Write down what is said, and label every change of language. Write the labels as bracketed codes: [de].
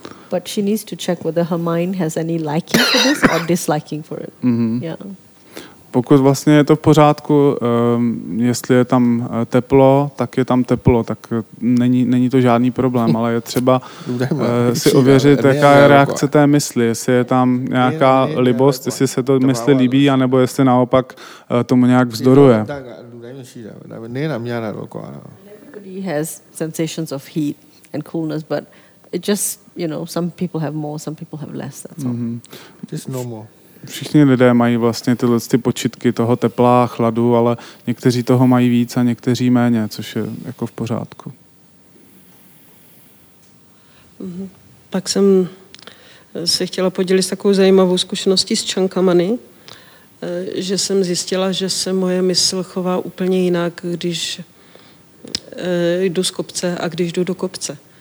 [en] But she needs to check whether her mind has any liking for this or disliking for it. Yeah. [cs] Pokud vlastně je to v pořádku, jestli je tam teplo, tak je tam teplo, tak není to žádný problém, ale je třeba si ověřit, jaká je reakce té mysli, jestli je tam nějaká libost, jestli se to mysli líbí, anebo jestli naopak tomu nějak vzdoruje. [en] Everybody has sensations of heat and coolness, but it just, you know, some people have more, some people have less, that's all. Just no more. [cs] Všichni lidé mají vlastně tyhle ty počitky toho tepla a chladu, ale někteří toho mají víc a někteří méně, což je jako v pořádku. Pak jsem se chtěla podělit s takovou zajímavou zkušeností s Chankamani, že jsem zjistila, že se moje mysl chová úplně jinak, když jdu z kopce a když jdu do kopce.